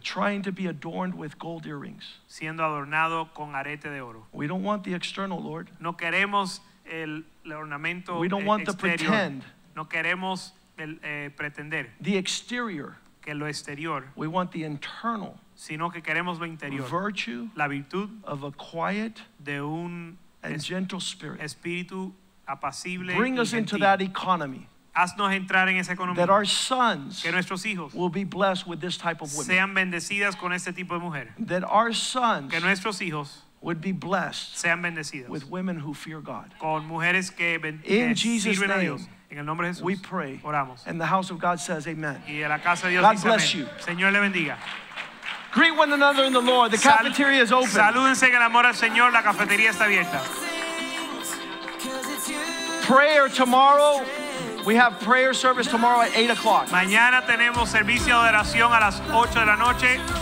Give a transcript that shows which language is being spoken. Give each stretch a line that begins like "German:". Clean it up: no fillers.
English: Trying to be adorned with gold earrings.
Spanish: Siendo adornado con arete de oro.
English: We don't want the external, Lord.
Spanish: No queremos el ornamento exterior.
English: We don't want the pretend.
Spanish: No queremos el pretender.
English: The exterior.
Spanish: Que lo exterior.
English: We want the internal.
Spanish: Sino que queremos lo interior.
English: Virtue,
Spanish: la virtud
English: of a quiet,
Spanish: de un
English: and gentle spirit.
Spanish: Espíritu apacible.
English: Bring
Spanish: y
English: us
Spanish: gentil.
English: Into that economy.
Spanish: Haznos entrar en esa economía.
English: That our sons,
Spanish: que nuestros hijos,
English: will be blessed with this type of woman.
Spanish: Sean bendecidas con este tipo de mujer.
English: That our sons,
Spanish: que nuestros hijos,
English: would be blessed,
Spanish: sean bendecidas,
English: with women who fear God.
Spanish: Con mujeres que
English: in
Spanish: que
English: Jesus'
Spanish: sirven
English: name.
Spanish: A Dios. En el nombre de Jesús,
English: we pray.
Spanish: Oramos.
English: And the house of God says, Amen.
Spanish: Y la casa de Dios
English: God
Spanish: dice,
English: bless
Spanish: amen.
English: You.
Spanish: Señor le bendiga.
English: Greet one another in the Lord. The cafeteria is open.
Spanish: Salúdense en el amor al Señor. La cafetería está abierta.
English: Prayer tomorrow. We have prayer service tomorrow at 8 o'clock.
Spanish: Mañana tenemos servicio de oración a las 8 de la noche.